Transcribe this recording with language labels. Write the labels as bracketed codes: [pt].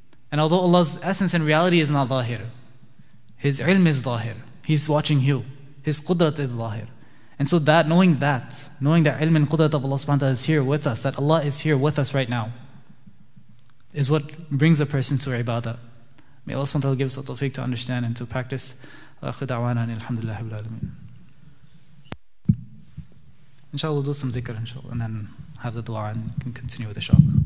[en] And although Allah's essence and reality is not zahir, his ilm is zahir. He's watching you. His qudrat is zahir. And so that, knowing that, knowing that ilm and qudrat of Allah subhanahu wa ta'ala is here with us, that Allah is here with us right now, is what brings a person to ibadah. May Allah subhanahu wa ta'ala give us the tawfiq to understand and to practice. [ar] وآخر دعوانا أن الحمد لله رب العالمين. [en] إن شاء الله do some dhikr, إن شاء الله, and then have the dua and can continue with the shock.